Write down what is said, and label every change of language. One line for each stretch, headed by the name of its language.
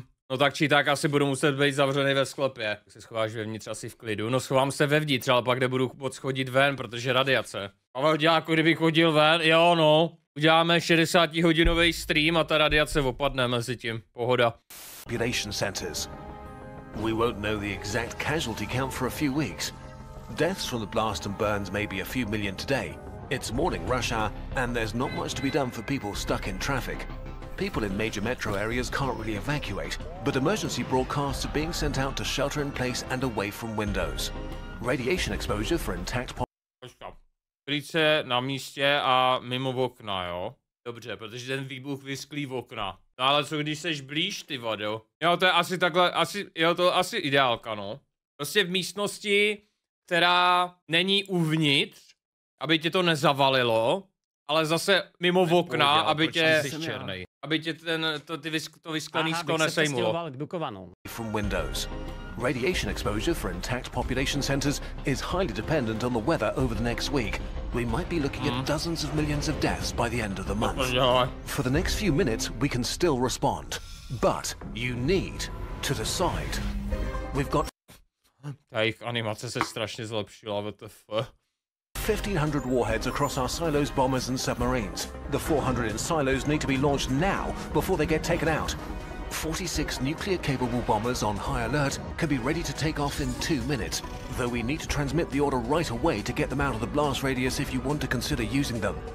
Czech: No tak či tak asi budu muset být zavřený ve sklepě. Tak se schováš vevnitř asi v klidu. No schovám se vevnitř, ale pak nebudu moc chodit ven, protože radiace. Ale udělá jako kdybych chodil ven, jo no. Uděláme 60 hodinový stream a ta radiace opadne mezi tím. Pohoda.
English: Population centers. We won't know the exact casualty count for a few weeks. Deaths from the blast and burns may be a few million today. It's morning rush hour and there's not much to be done for people stuck in traffic. People in major metro areas can't really evacuate, but emergency broadcasts are being sent out to shelter in place and away from windows. Radiation exposure for intact
Czech: police na místě a mimo okna, jo. Dobře, protože ten výbuch vysklí v okna. No ale co když seš blíž, ty vado? Jo, to je asi takhle, asi ideálka, no. Prostě v místnosti, která není uvnitř, aby tě to nezavalilo, ale zase mimo okna, aby tě černej. Aby tě ten, to, ty vysk, to vysklený sklo nesejmulo. K Dukovanům.
English: From windows. Radiation exposure for intact population centers is highly dependent on the weather over the next week. We might be looking at dozens of millions of deaths by the end of the month. For the next few minutes, we can still respond. But you need to decide. We've got...
Czech: Ta jejich animace se strašně zlepšila, WTF.
English: 1,500 warheads across our silos, bombers and submarines. The 400 in silos need to be launched now before they get taken out. 46 nuclear capable bombers on high alert can be ready to take off in 2 minutes, though we need to transmit the order right away to get them out of the blast radius if you want to consider using them.